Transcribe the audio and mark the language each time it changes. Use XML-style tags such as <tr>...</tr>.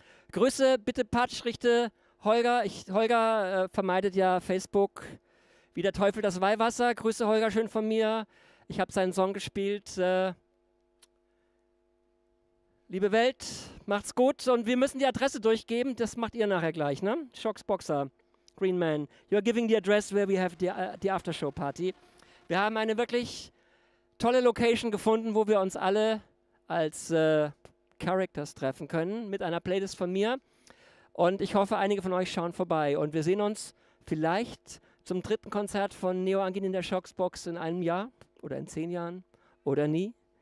<de>Grüße, bitte Patsch, richte Holger. Holger vermeidet ja Facebook wie der Teufel das Weihwasser. Grüße Holger schön von mir. Ich habe seinen Song gespielt. Liebe Welt, macht's gut und wir müssen die Adresse durchgeben. Das macht ihr nachher gleich, ne?</de> <en>Shox Boxer, Green Man, you're giving the address where we have the Aftershow Party.</en> <de>Wir haben eine wirklich tolle Location gefunden, wo wir uns alle als Characters treffen können, mit einer Playlist von mir. Und ich hoffe, einige von euch schauen vorbei. Und wir sehen uns vielleicht zum dritten Konzert von Neo Angin in der Shox Box in einem Jahr oder in 10 Jahren oder nie.</de>